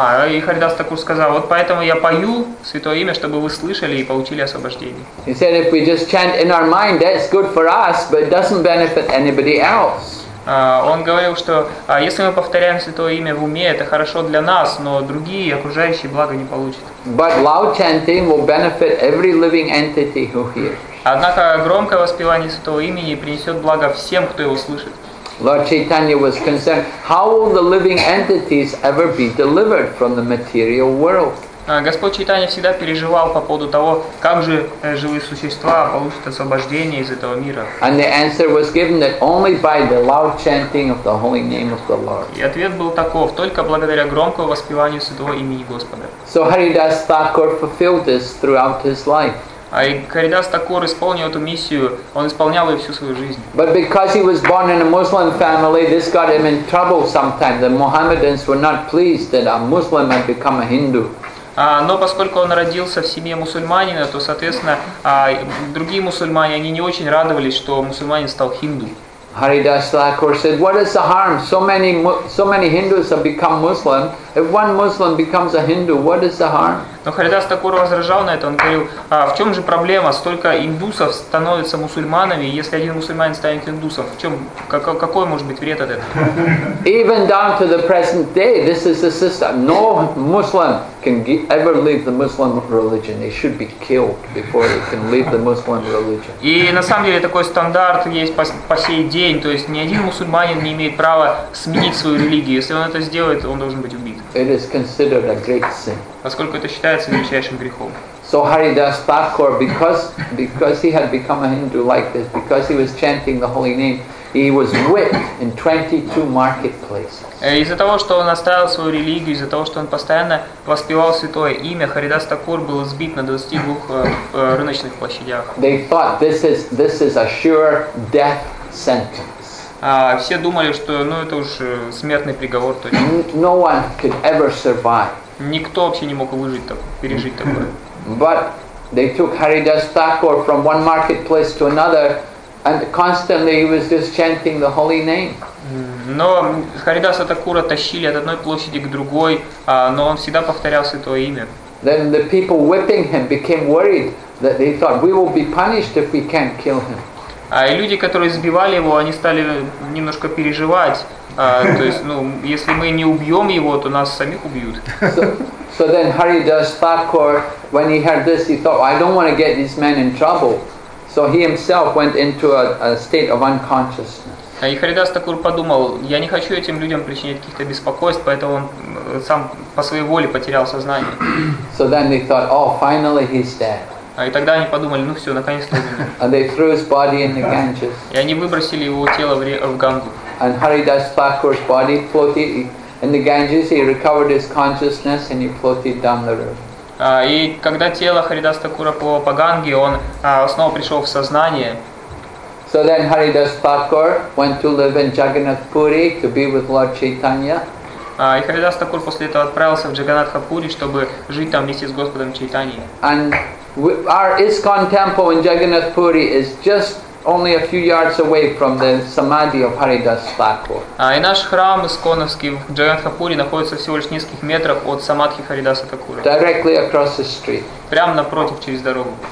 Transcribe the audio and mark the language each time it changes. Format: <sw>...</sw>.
<ru>И Харидас Такур сказал, вот поэтому я пою святое имя, чтобы вы слышали и получили освобождение.</ru> <en>He said, if we just chant in our mind, that's good for us, but it doesn't benefit anybody else.</en> <ru>Он говорил, что если мы повторяем святое имя в уме, это хорошо для нас, но другие окружающие блага не получат.</ru> <en>But loud chanting will benefit every living entity who hears.</en> <ru>Однако громкое воспевание святого имени принесет благо всем, кто его слышит.</ru> <en>Lord Chaitanya was concerned, how will the living entities ever be delivered from the material world?</en> <ru>Господь Чайтанья всегда переживал по поводу того, как же живые существа получат освобождение из этого мира.</ru> <en>And the answer was given that only by the loud chanting of the holy name of the Lord.</en> <ru>И ответ был таков, только благодаря громкому воспеванию святого имени Господа.</ru> <en>So Haridas Thakur fulfilled this throughout his life.</en> <ru>А Харидас Такур исполнил эту миссию, он исполнял ее всю свою жизнь.</ru> <en>But because he was born in a Muslim family, this got him in trouble sometimes. The Mohammedans were not pleased that a Muslim had become a Hindu.</en> <ru>Но поскольку он родился в семье мусульманина, то, соответственно, другие мусульмане, они не очень радовались, что мусульманин стал хинду.</ru> <en>Haridas Thakur said, what is the harm? So many Hindus have become Muslim. If one Muslim becomes a Hindu, what is the harm?</en> <ru>Но Харидас Такур возражал на это. Он говорил, в чем же проблема? Столько индусов становятся мусульманами, если один мусульманин станет индусом. Какой может быть вред от этого?</ru> <en>Even down to the present day, this is the system. No Muslim can ever leave the Muslim religion. They should be killed before they can leave the Muslim religion.</en> <ru>И на самом деле такой стандарт есть по сей день. То есть ни один мусульманин не имеет права сменить свою религию. Если он это сделает, он должен быть убит.</ru> <en>It is considered a great sin.</en> <ru>Поскольку это считается величайшим грехом.</ru> <en>So Haridas Thakur, because he had become a Hindu like this, because he was chanting the holy name, he was whipped in 22 marketplaces.</en> <ru>Из-за того, что он оставил свою религию, из-за того, что он постоянно воспевал святое имя, Харидас Такур был сбит на 22 рыночных площадях.</ru> <en>They thought this is a sure death sentence.</en> <ru>все думали, что ну, это уж смертный приговор.</ru> <en>No one could ever survive.</en> <ru>Никто вообще не мог выжить, так, пережить такое.</ru> <en>But they took Haridas Thakur from one marketplace to another, and constantly he was just chanting the holy name.</en> <ru>Но Харидаса Такура тащили от одной площади к другой, но он всегда повторял святое имя.</ru> <en>Then the people whipping him became worried that they thought we will be punished if we can't kill him.</en> <ru>А и люди, которые избивали его, они стали немножко переживать, то есть, ну, если мы не убьем его, то нас самих убьют.</ru> <en>So then Haridas Thakur, when he heard this, he thought, I don't want to get this man in trouble. So he himself went into a state of unconsciousness.</en> <ru>И Харидас Такур подумал, я не хочу этим людям причинять каких-то беспокойств, поэтому он сам по своей воле потерял сознание.</ru> <en>So then they thought, oh, finally he's dead.</en> <ru>И тогда они подумали, ну все, наконец-то умер.</ru> <en>And they threw his body in the Ganges.</en> <ru>И они выбросили его тело в Гангу.</ru> <en>And Haridas Thakur's body floated in the Ganges. He recovered his consciousness and he floated down the river.</en> <ru>И когда тело Харидас Такура плыло по Ганге, он снова пришел в сознание.</ru> <en>So then Haridas Thakur went to live in Jagannath Puri to be with Lord Chaitanya.</en> <ru>И Харидас Такур после этого отправился в Джаганатха Пури, чтобы жить там вместе с Господом Чайтаньей.</ru> <en>And our ISKCON temple in Jagannath Puri is just only a few yards away from the samadhi of Haridas Thakur.</en> <ru>И наш храм ISKCON-овский в Джаганатха Пури находится всего лишь в нескольких метрах от самадхи Харидаса Такура.</ru> <en>Directly across the street.</en> <ru>Прямо напротив, через дорогу.</ru>